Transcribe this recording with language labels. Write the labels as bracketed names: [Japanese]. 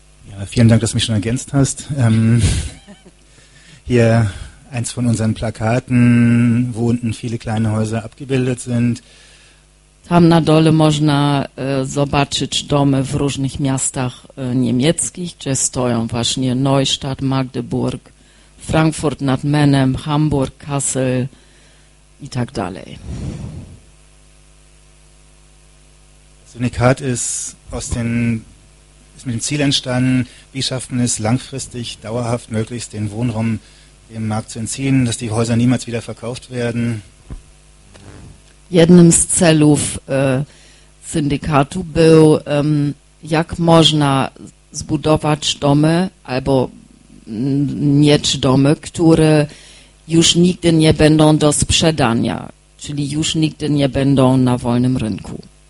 [German] Ja, vielen Dank, dass du mich schon ergänzt hast. Hier eins von unseren Plakaten, wo unten viele kleine Häuser abgebildet sind. [Polish] Tam na dole można zobaczyć domy w różnych miastach niemieckich, gdzie stoją właśnie Neustadt, Magdeburg, Frankfurt nad Menem, Hamburg, Kassel i tak dalej. [German] Syndikat ist mit dem Ziel entstanden, wie schaffen es langfristig, dauerhaft möglichst den Wohnraum dem Markt zu entziehen, dass die Häuser niemals wieder verkauft werden. [Polish] Jednym z celów syndikatu był, jak można zbudować domy albo mieć domy, które już nigdy nie będą do sprzedania, czyli już nigdy nie będą na wolnym rynku.